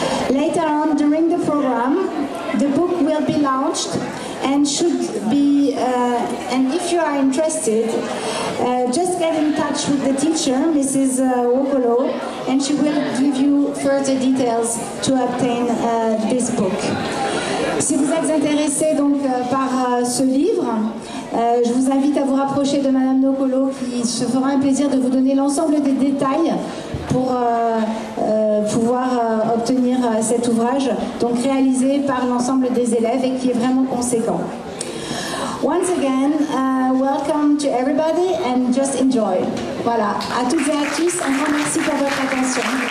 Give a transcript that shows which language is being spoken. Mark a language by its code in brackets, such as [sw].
[en] Later on, during the program, the book will be launched and should be, and if you are interested, just get in touch with the teacher, Mrs. Wokolo, and she will give you further details to obtain this book. [fr] Si vous êtes intéressé donc par ce livre, je vous invite à vous rapprocher de Madame Wokolo qui se fera un plaisir de vous donner l'ensemble des détails pour pouvoir obtenir cet ouvrage, donc réalisé par l'ensemble des élèves et qui est vraiment conséquent. [en] Once again, welcome to everybody and just enjoy. [fr] Voilà, à toutes et à tous, un grand merci pour votre attention.